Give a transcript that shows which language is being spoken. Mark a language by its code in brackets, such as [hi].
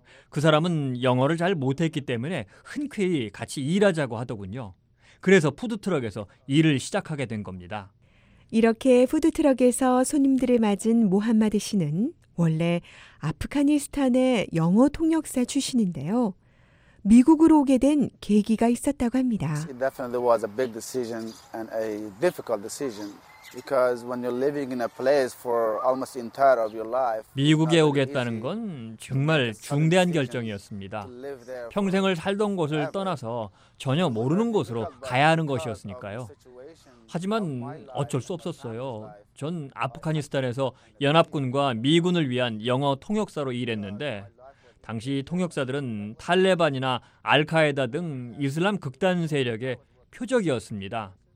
[ko] 그 사람은 영어를 잘 못했기 때문에 흔쾌히 같이 일하자고 하더군요. 그래서 푸드트럭에서 일을 시작하게 된 겁니다. 이렇게 푸드트럭에서 손님들을 맞은 모하마드 씨는 원래 아프가니스탄의 영어 통역사 출신인데요. 미국으로 오게 된 계기가 있었다고 합니다. [en] It definitely was a big decision and a difficult decision because when you're living in a place for almost entire of your life. [ko] 미국에 오겠다는 건 정말 중대한 결정이었습니다. 평생을 살던 곳을 떠나서 전혀 모르는 곳으로 가야 하는 것이었으니까요. 하지만 어쩔 수 없었어요. 전 아프가니스탄에서 연합군과 미군을 위한 영어 통역사로 일했는데 당시 통역사들은 탈레반이나 알카에다 등 이슬람 극단 세력의 표적이었습니다.